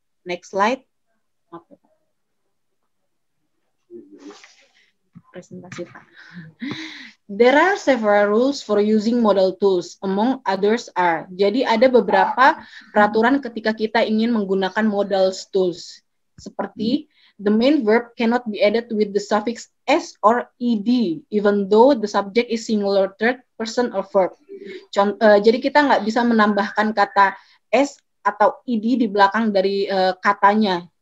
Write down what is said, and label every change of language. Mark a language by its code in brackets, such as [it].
[en] Next slide. Okay. Presentasi. There are several rules for using modal tools, among others are. [id] Jadi ada beberapa peraturan ketika kita ingin menggunakan modal tools. [en] Seperti, the main verb cannot be added with the suffix s or ed, even though the subject is singular third person or verb. [id] Jadi kita nggak bisa menambahkan kata s atau ed di belakang dari katanya.